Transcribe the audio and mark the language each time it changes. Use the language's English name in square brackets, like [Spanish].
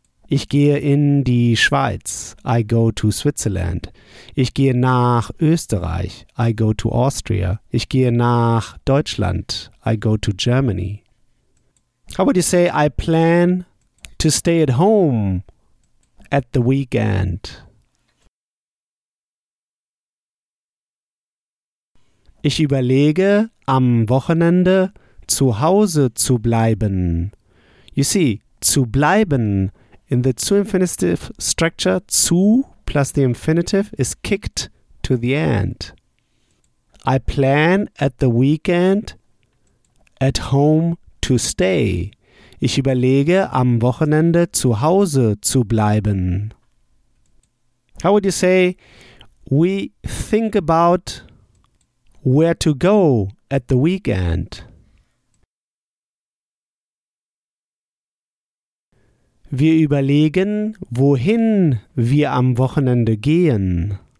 [German] Ich gehe in die Schweiz, [English] I go to Switzerland. [German] Ich gehe nach Österreich, [English] I go to Austria. [German] Ich gehe nach Deutschland, [English] I go to Germany. How would you say, I plan to stay at home at the weekend? [German] Ich überlege, am Wochenende zu Hause zu bleiben. [English] You see, [German] zu bleiben [English] in the zu-infinitive structure, zu plus the infinitive is kicked to the end. I plan at the weekend at home to stay. [German] Ich überlege, am Wochenende zu Hause zu bleiben. [English] How would you say, we think about where to go at the weekend? [German] Wir überlegen, wohin wir am Wochenende gehen.